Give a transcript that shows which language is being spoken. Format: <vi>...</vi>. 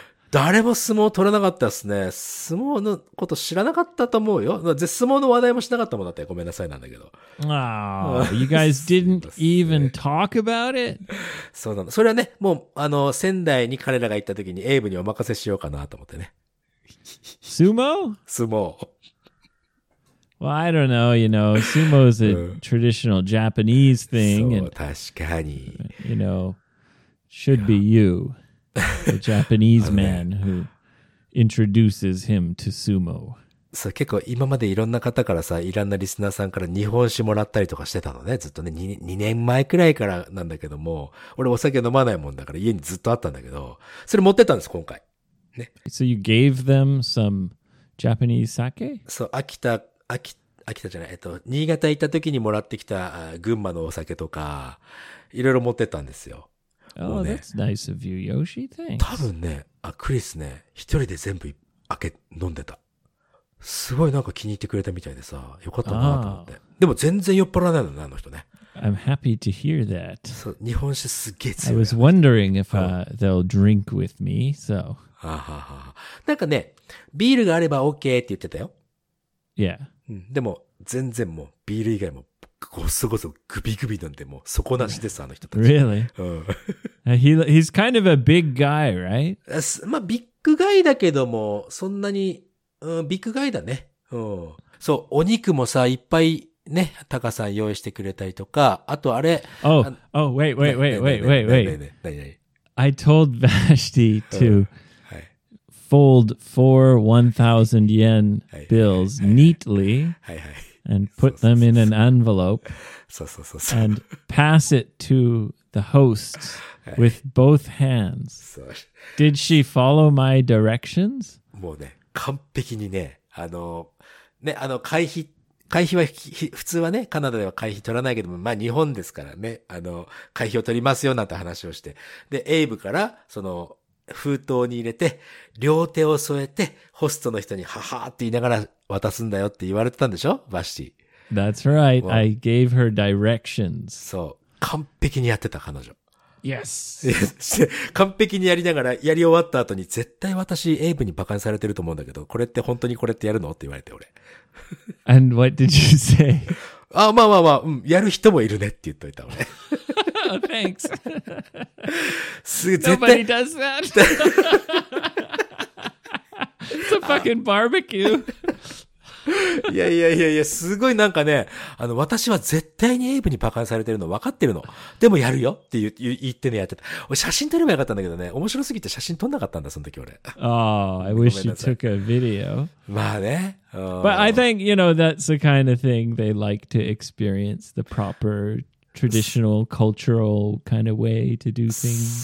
<ja>誰も相撲を取らなかったですね。相撲のこと知らなかったと思うよ。で、相撲の話題もしなかったもんだって、ごめんなさいなんだけど。</ja> <en>You guys didn't even talk about it?</en> <ja>そうなの。それはね、もう、仙台に彼らが行った時にエイブにお任せしようかなと思ってね。</ja> <en>Sumo?</en> <ja>相撲。</ja> <en>Well, I don't know, you know, sumo is a traditional Japanese thing.</en> <ja>そう、確かに。</ja> <en>You know, should be you, the Japanese man who introduces him to sumo.</en> <ja>そう、結構今までいろんな方からさ、いろんなリスナーさんから日本酒もらったりとかしてたのね、ずっとね、2年前くらいからなんだけども、俺お酒飲まないもんだから家にずっとあったんだけど、それ持ってたんです、今回。ね。</ja> <en>So you gave them some Japanese sake?</en> <ja>そう、秋田じゃない、新潟行った時にもらってきた群馬のお酒とか、いろいろ持ってったんですよ。</ja> <en>Oh, ね、that's nice of you, Yoshi. Thanks.</en> <ja>多分ね、クリスね、一人で全部飲んでた。すごいなんか気に入ってくれたみたいでさ、よかったなと思って。</ja> <en>Oh.</en> <ja>でも全然酔っ払わないのね、あの人ね。</ja> <en>I'm happy to hear that.</en> <ja>そう、日本酒すっげえ強い。</ja> <en>I was wondering if they'll drink with me, so.</en> <ja>ははは。なんかね、ビールがあれば OK って言ってたよ。</ja> <en>Yeah.</en> <ja>でも全然もうビール以外もごそごそグビグビ飲んでもう底なしですあの人たち。</ja> <en>Really? He's kind of a big guy, right?</en> <ja>まあビッグガイだけどもそんなに、ビッグガイだね。そうお肉もさいっぱいねタカさん用意してくれたりとかあとあれ。</ja> <en>Wait. I told Vashti to fold four 1,000 yen bills neatly and put them in an envelope and pass it to the host with both hands. Did she follow my directions?</en> <ja>もうね、完璧にね、ね、会費は普通はね、カナダでは会費取らないけども、まあ日本ですからね、会費を取りますよなんて話をして、で、エイブから、その、封筒に入れて両手を添えてホストの人にははって言いながら渡すんだよって言われてたんでしょバッシ</ja> <en>ー That's right I gave her directions</en> <ja>そう完璧にやってた彼女</ja> <en>Yes</en> <ja>完璧にやりながらやり終わった後に絶対私エイブにバカにされてると思うんだけどこれって本当にこれってやるのって言われて俺</ja> <en>And what did you say?</en> <ja>あまあまあまあ、うん、やる人もいるねって言っといた俺</ja> <en>Thanks. Nobody does that. It's a fucking barbecue.</en> <ja>いやすごいなんかね、私は絶対にエイブにバカにされてるの分かってるの。でもやるよって言ってね、やってた。俺写真撮ればよかったんだけどね、面白すぎて写真撮んなかったんだ、その時俺。</ja> <en>Oh, I wish you took a video.</en> <ja>まあね。</ja> <en>But I think, you know, that's the kind of thing they like to experience the proper traditional cultural kind of way to do things.</en>